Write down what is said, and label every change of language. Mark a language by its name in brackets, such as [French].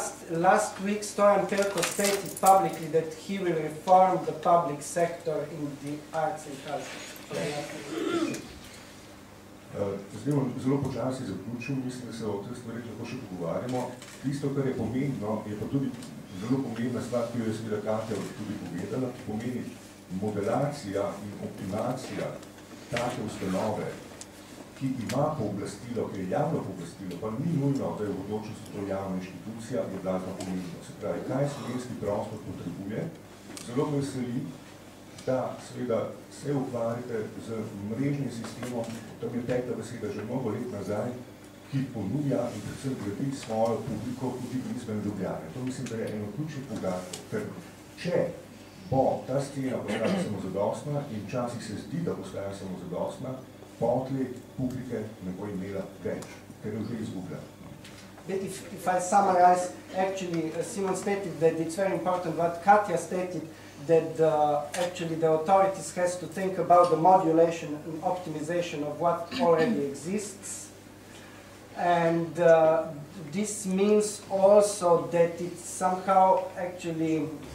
[English] Last week Stojan Pelko stated publicly that he will reform the public sector in the arts and culture. [Slovenian] Zdaj bom zelo počasi zaključil, mislim, da se o teh stvari lahko še pogovarjamo. Tisto, kar je pomembno, je pa tudi zelo pomembna stvar, ki jo je seveda Katja tudi povedala, ki pomeni modelacija in optimacija take ustanove, ki ima pooblastilo, ki je javno pooblastilo, pa ni nujno, da je v bodočnosti to javna inštitucija, je blazno pomembno. Se pravi, kaj slovenski prostor potrebuje, zelo me veseli, da seveda se ukvarjate z mrežnim sistemom, tam je tekla beseda že mnogo let nazaj, ki ponuja in predvsem gradi svojo publiko tudi izven Ljubljane. To mislim, da je eno ključnih poudarkov, ker če bo ta scena postala samozadostna in včasih se zdi, da postaja samozadostna, potlej publike ne bo imela več, ker je že izgubljena. [English] bit if I summarize, actually, Simon stated that it's very important what Katja stated, that actually the authorities has to think about the modulation and optimization of what already exists. And this means also that it's somehow actually